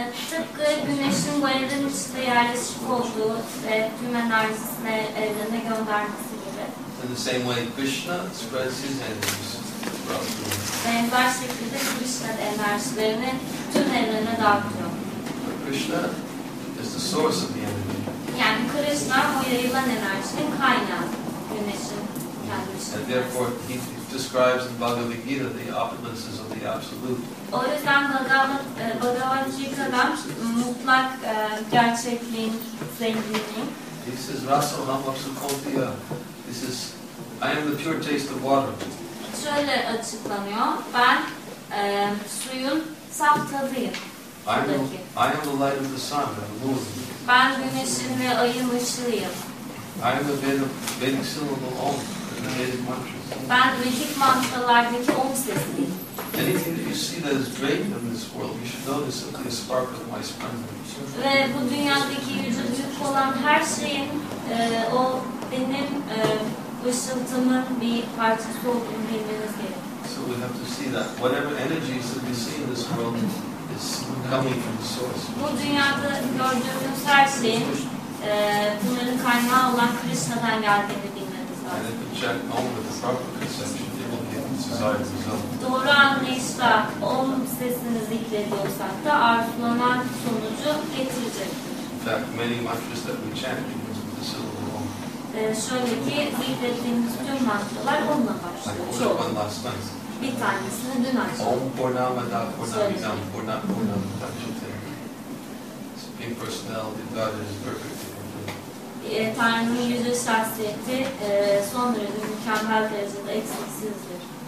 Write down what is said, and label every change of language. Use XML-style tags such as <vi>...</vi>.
<tr>Tıpkı güneşin varlığın içinde yerleşik olduğu ve tüm enerjisini evrene göndermesi gibi.</tr> <en>In the same way, Krishna spreads his energies throughout the universe.</en> <tr>Ve aynı şekilde Krishna enerjilerini tüm evrene dağıtıyor.</tr> <en>But Krishna is the source of the energy.</en> <tr>Yani Krishna o yayılan enerjinin kaynağı, güneşin kendisi.</tr> <en>And therefore, he describes in Bhagavad Gita the opulences of the Absolute.</en> <tr>O yüzden Bhagavad Gita'dan mutlak gerçekliğin zenginliği.</tr> <en>He says,</en> <sa>Rasa Namaksu Kodhya.</sa> <en>He says, I am the pure taste of water.</en> <tr>Şöyle açıklanıyor. Ben suyun saf tadıyım.</tr> <en>I am the light of the sun and the moon.</en> <tr>Ben güneşin ve ayın ışığıyım.</tr> <en>I am the Vedic syllable om and the Vedic mantra.</en> <tr>Ben Vedic mantralardaki om sesliyim.</tr> <en>Anything that you see that is great in this world, you should know this is a spark of my splendor.</en> <tr>Ve bu dünyadaki yüce büyük olan her şeyin o benim ışıltımın bir parçası olduğunu bilmeniz gerekiyor.</tr> <en>So we have to see that whatever energies that we see in this world is coming from the source.</en> <tr>Bu dünyada gördüğümüz her şeyin bunların kaynağı olan Krishna'dan geldiğini bilmeniz lazım.</tr> <en>And if you check on with the proper conception, it will give you desired result.</en> <tr>Doğru anlayışla om sesini zikrediyorsak da arzulanan sonucu getirecek.</tr> <en>In fact, many mantras that we chant begins with the syllable om.</en> <tr>Şöyle ki zikrettiğimiz tüm mantralar onunla başlıyor.</tr> <en>Like, what's one last</en> <tr>one? Bir tanesini dün açtım.</tr> <sa>Om Purnamada Purnamidam Purnam Tachyate.</sa> <en>Supreme Personality of God is perfect.</en> <tr>Tanrı'nın yüce şahsiyeti son derece mükemmel derecede eksiksizdir.</tr>